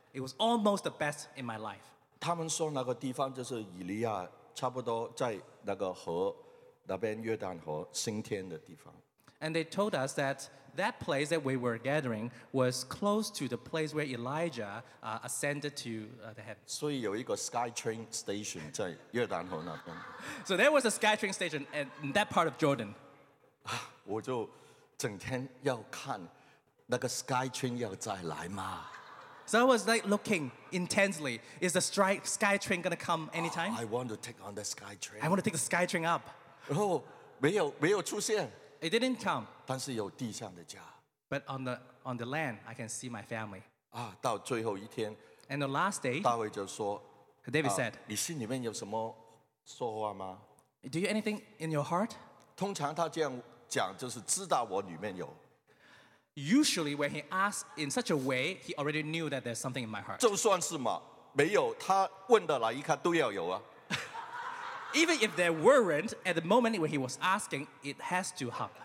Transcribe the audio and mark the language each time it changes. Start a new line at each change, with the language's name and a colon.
English: It was almost the best in my life.
Chinese: 他们说那个地方就是以利亚，差不多在那个河那边约旦河升天的地方。
English: And they told us that that place that we were gathering was close to the place where Elijah ascended to the heavens.
Chinese: 所以有一个 SkyTrain station 在约旦河那边。
English: So there was a SkyTrain station in that part of Jordan.
Chinese: 我就整天要看那个 SkyTrain 要再来吗？
English: So I was like looking intensely. Is the SkyTrain gonna come anytime? I want to take on the SkyTrain. I want to take the SkyTrain up.
Chinese: 然后没有出现。
English: It didn't come.
Chinese: 但是有地上的家,
English: but on the land, I can see my family.
Chinese: 啊, 到最后一天,
English: and the last day,
Chinese: 大卫就说,
English: David said,
Chinese: 你心里面有什么说话吗?
English: Do you anything in your heart?
Chinese: 通常他这样讲就是知道我里面有。
English: Usually when he asked in such a way, he already knew that there's something in my heart.
Chinese: 就算是嘛,没有,他问的来一看都要有啊。
English: Even if there weren't, at the moment when he was asking, it has to happen.